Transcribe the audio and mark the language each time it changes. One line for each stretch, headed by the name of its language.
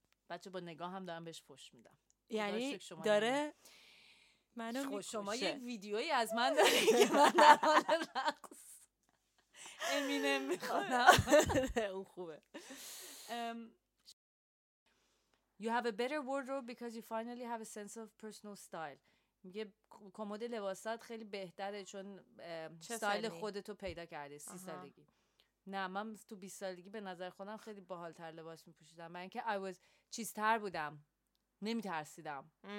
Persian: بچه با نگاه هم دارم بهش فوش میدم، یعنی داره منو میکشه. شما یه ویدیویی از من داری که من در حال رقص امینم میخوانم. اون خوبه.
English: You have a better wardrobe because you finally have a sense of personal style.
Persian: میگه کمد لباسات خیلی بهتره چون استایل خودتو پیدا کرده. 30 سالگی نه، من تو 20 سالگی به نظر خودم خیلی باحال تر لباس می پوشیدم، من که
English: I was
Persian: چیزتر بودم، نمی ترسیدم.